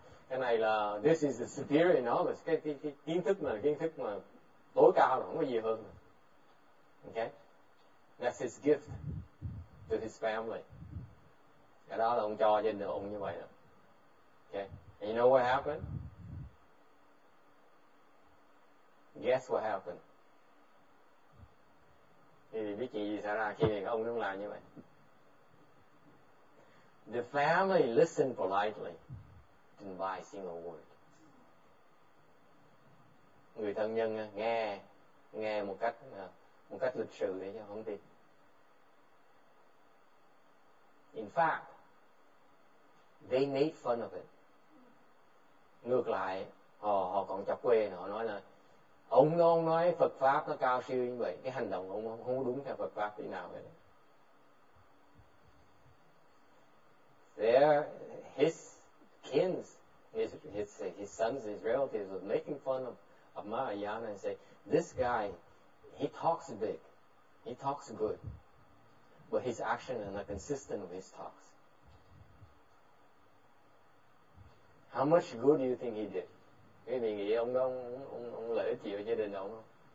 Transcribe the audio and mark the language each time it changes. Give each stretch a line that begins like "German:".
Vietnamese: Cái này là
English: this is the superior knowledge.
Vietnamese: Cái kiến thức mà tối cao rồi, không có gì hơn.
English: Okay, that's his gift to his family.
Vietnamese: Cái đó là ông cho trên đường ông như vậy đó.
English: Okay. And you know what happened? Guess what happened?
Vietnamese: cái chuyện gì xảy ra khi này ông không làm như vậy.
English: The family listened politely, didn't buy a single word.
Vietnamese: Người thân nhân nghe, nghe một cách lịch sự để cho không tin.
English: In fact, they made fun of it.
Vietnamese: Ngược lại, họ họ còn chọc quê, họ nói là ông non nói Phật pháp nó cao siêu như vậy, cái hành động ông không đúng theo Phật pháp thế nào vậy.
English: There, his kins, his sons, his relatives were making fun of Mahayana and say, this guy, he talks big, he talks good, but his action is not consistent with his talks. How much good do you think he did?
Vietnamese: Quý vị nghĩ ông lợi ích gì ở gia đình ông không?